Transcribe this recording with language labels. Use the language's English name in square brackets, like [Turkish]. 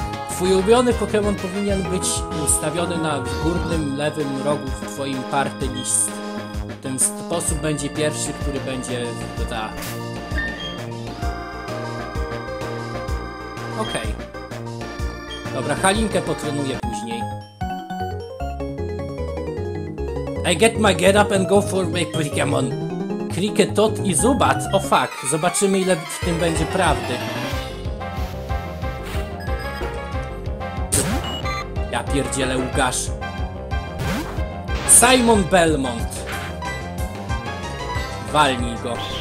[Polish] Twój ulubiony Pokémon powinien być ustawiony na górnym lewym rogu w twoim party list. W ten sposób będzie pierwszy, który będzie... Okej. Dobra, Halinkę potrenuję później. [English] I get my get up and go for my Pokémon. [Polish] Krike, Tot i Zubat. O fuck, zobaczymy ile w tym będzie prawdy. Ja pierdzielę, Łukasz. Simon Belmont. Walnij go.